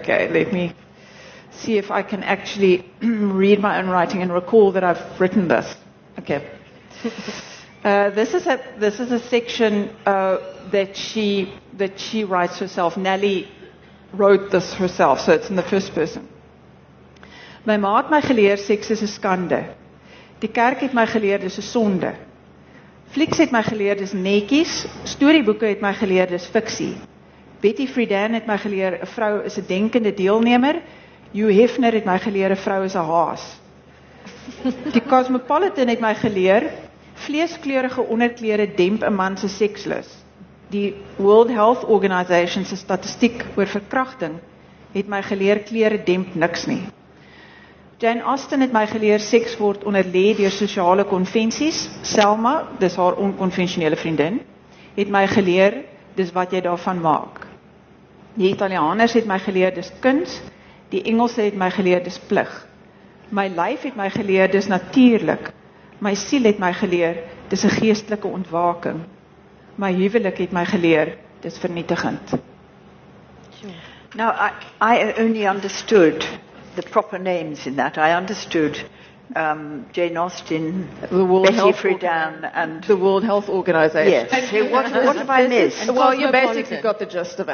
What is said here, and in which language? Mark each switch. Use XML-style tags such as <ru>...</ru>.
<en>Okay, let me see if I can actually read my own writing and recall that I've written this. Okay. This is a section that she writes herself. Nelly wrote this herself, so it's in the first person.</en> <af>My ma het my geleer seks is 'n skande. Die kerk het my geleer dis 'n sonde. Flieks het my geleer dis netjies. Storieboeke het my geleer dis fiksie. Betty Friedan het my geleer 'n vrou is 'n denkende deelnemer. Hugh Hefner het my geleer 'n vrou is 'n haas. Die Cosmopolitan het my geleer, Vleeskleurige onderklere demp 'n man se sekslus. Die World Health Organization se statistiek oor verkrachting het my geleer klere demp niks nie. Jane Austen het my geleer seks word onderlê deur sosiale konvensies. Selma, dis haar onkonvensionele vriendin, het my geleer dis wat jy daarvan maak. Die Italianers het my geleer dis kuns. Die Engelse het my geleer dis plig. My lyf het my geleer dis natuurlik. My siel het my geleer dis 'n geestelike ontwaking. My huwelik het my geleer dis vernietigend.</af> <en>Now I only understood the proper names in that. I understood Jane Austen, the World Betty Health Friedan, and the World Health Organization. Yes. What have I missed? Well, you basically got the gist of it.</en>